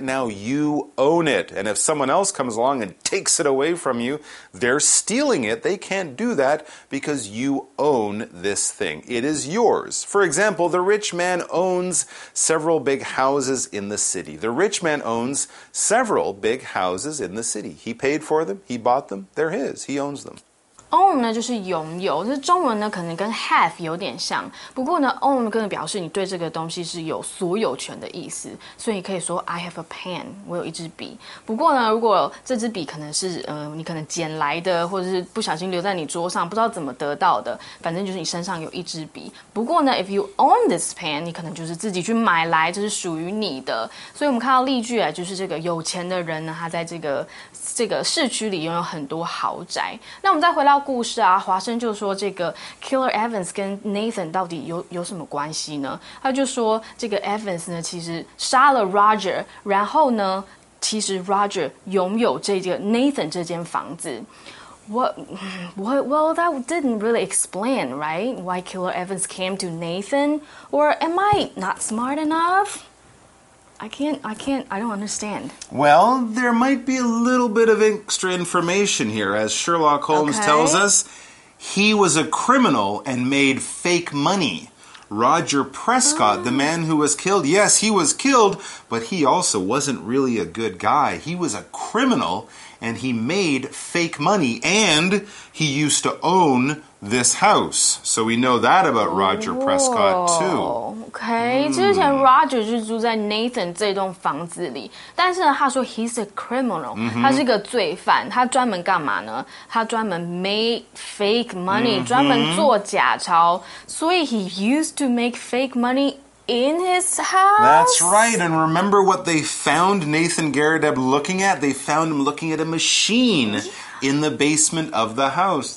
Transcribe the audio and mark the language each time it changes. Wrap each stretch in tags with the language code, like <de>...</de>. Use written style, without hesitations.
<en>Now you own it. And if someone else comes along and takes it away from you, they're stealing it. They can't do that because you own this thing. It is yours. For example, the rich man owns several big houses in the city. The rich man owns several big houses in the city. He paid for them. He bought them. They're his. He owns them.</en> <zh>Own 呢就是拥有，就是中文呢可能跟 have 有点像，不过呢 own 更表示你对这个东西是有所有权的意思，所以你可以说</zh> <en>I have a pen，</en> <zh>我有一支笔。不过呢，如果这支笔可能是你可能捡来的，或者是不小心留在你桌上，不知道怎么得到的，反正就是你身上有一支笔。不过呢 ，</zh> <en>if you own this pen，</en> <zh>你可能就是自己去买来，这是属于你的。所以我们看到例句啊，就是这个有钱的人呢，他在这个市区里拥有很多豪宅。那我们再回到。故事啊，华生就说这个 Killer Evans 跟 Nathan 到底有什么关系呢？他就说这个 Evans 呢，其实杀了 Roger， 然后呢，其实 Roger 拥有这个 Nathan 这间房子。</zh> <en>Well, that didn't really explain, right? Why Killer Evans came to Nathan? Or am I not smart enough? I don't understand. Well, there might be a little bit of extra information here. As Sherlock Holmes tells us, he was a criminal and made fake money. Roger Prescott, the man who was killed. Yes, he was killed, but he also wasn't really a good guy. He was a criminal, and he made fake money, and he used to own this house. So we know that about Roger Prescott, too.</en> <zh>Okay, 之前 Roger 就住在 Nathan 这栋房子里，但是呢，他说</zh> <en>he's a criminal,</en> <zh>他是个罪犯，他专门干嘛呢？他专门</zh> <en>make fake money,</en> <zh>专门做假钞，所以</zh> <en>he used to make fake money in his house? That's right, and remember what they found Nathan Garadeb looking at? They found him looking at a machine. In the basement of the house.</en>